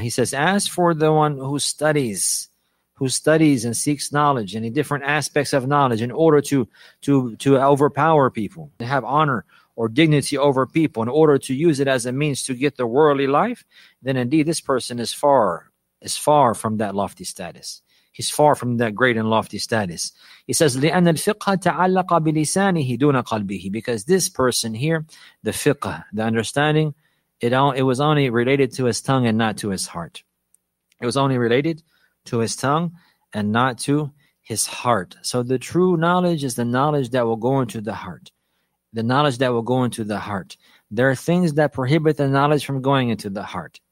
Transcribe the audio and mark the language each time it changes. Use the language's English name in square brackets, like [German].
[English] He says, as for the one who studies and seeks knowledge and different aspects of knowledge in order to overpower people, to have honor or dignity over people in order to use it as a means to get the worldly life, then indeed this person is far from that lofty status. He's far from that great and lofty status. He says, [Arabic] لأن الفقه تعلق بلسانه دون قلبه. [English] Because this person here, the fiqh, the understanding, it was only related to his tongue and not to his heart. It was only related to his tongue and not to his heart. So the true knowledge is the knowledge that will go into the heart. The knowledge that will go into the heart. There are things that prohibit the knowledge from going into the heart.